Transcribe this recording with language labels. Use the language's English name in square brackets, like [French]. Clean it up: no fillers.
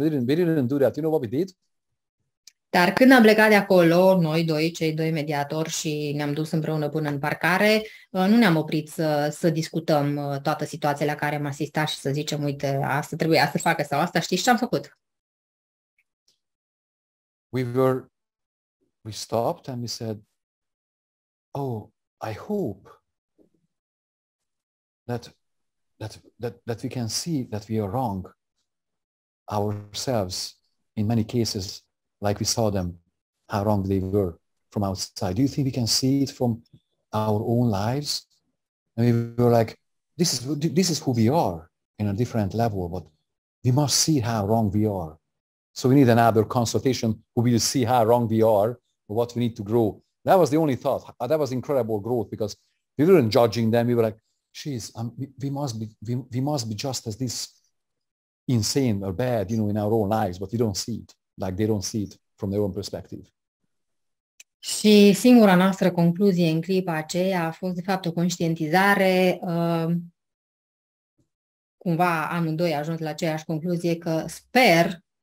[English] We didn't do that. You know what we did? [Romanian] Dar când am plecat de acolo, noi doi, cei doi mediatori, și ne-am dus împreună până în parcare, nu ne-am oprit să discutăm toată situația la care am asistat și să zicem, uite, asta trebuie să facă sau asta. Știi ce am făcut? [English] We stopped and we said, oh, I hope that we can see that we are wrong ourselves in many cases, like we saw them, how wrong they were from outside. Do you think we can see it from our own lives? And we were like, this is who we are in a different level, but we must see how wrong we are. So we need another consultation who will see how wrong we are, what we need to grow. That was the only thought. That was incredible growth because we weren't judging them. We were like, jeez, we must be just as this insane or bad, you know, in our own lives, but we don't see it, like they don't see it from their own perspective. [Romanian] Și singura noastră concluzie în clipa aceea a fost de fapt o conștientizare. Cumva amândoi a ajuns la aceeași concluzie că sper